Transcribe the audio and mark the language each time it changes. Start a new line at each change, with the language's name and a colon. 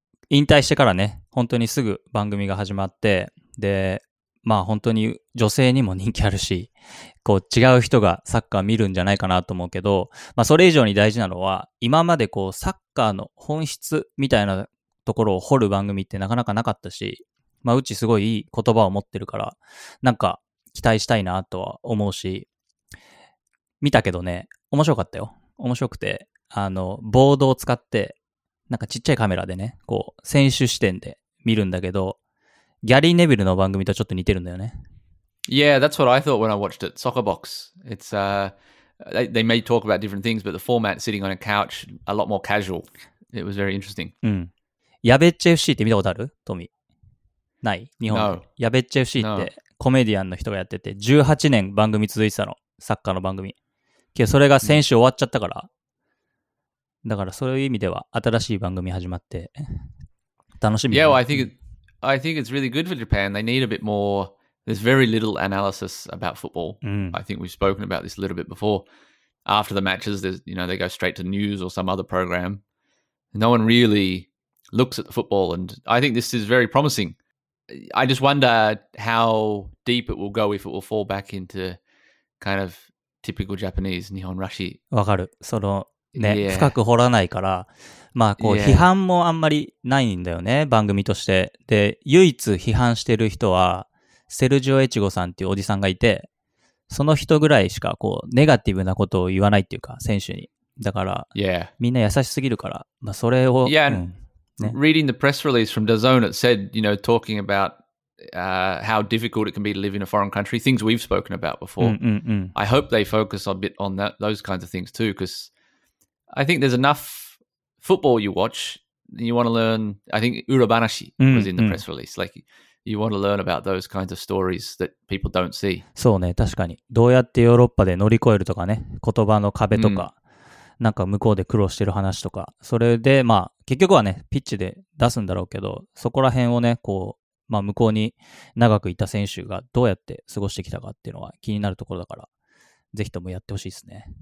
Japanese: 引退してからね、本当にすぐ番組が始まって、で、まあ本当に女性にも人気あるし、こう違う人がサッカー見るんじゃないかなと思うけど、まあそれ以上に大事なのは、今までこうサッカーの本質みたいなところを掘る番組ってなかなかなかったし、まあうちすごいいい言葉を持ってるから、なんか期待したいなとは思うし、見たけどね、面白かったよ。面白くて、ボードを使って、なんかちっちゃいカメラでね、こう選手視点で見るんだけど、ギャリー・ネビルの番組とちょっと似てるんだよね。
English: Yeah, that's what I thought when I watched it. Soccer Box. It's they may talk about different things, but the format, sitting on a couch, a lot more casual. It was very interesting.
Japanese: うん。ヤベッチ FC って見たことある？トミー。ない？日本。
English: No.
Japanese: ヤベッチ FC ってコメディアンの人がやってて、18年番組続いてたの。サッカーの番組。けどそれが先週終わっちゃったから。だからそういう意味では新しい番組始まって楽しみ。
English: Yeah, well, I think it's really good for Japan. They need a bit more. There's very little analysis about football. I think we've spoken about this a little bit before. After the matches, they go straight to news or some other program. No one really looks at the football. And I think this is very promising. I just wonder how deep it will go if it will fall back into kind of typical Japanese Nihon Rashi.
Japanese: わかる。そのね、yeah. 深く掘らないから。まあこう批判もあんまりないんだよね、番組として。で、唯一批判してる人はセルジオエチゴさんっていうおじさんがいて、その人ぐらいしかこうネガティブなことを言わないっていうか、選手に。だからみんな優しすぎるから、まあそれを、
English: yeah. うん、ね、Reading the press release from DAZN, it said, you know, talking abouthow difficult it can be to live in a foreign country, things we've spoken about before. I hope they focus a bit on that, those kinds of things too, because I think there's enoughfootball you watch, you want to learn, I think Urabanashi was in the press release. Like, you want to learn about those kinds of stories that people don't see.
Japanese: そうね、確かに。どうやってヨーロッパで乗り越えるとかね、言葉の壁とか、なんか向こうで苦労してる話とか、それで、まあ、結局はね、ピッチで出すんだろうけど、そこら辺をね、こう、まあ、向こうに長くいた選手がどうやって過ごしてきたかっていうのは気になるところだから、ぜひともやってほしいですね。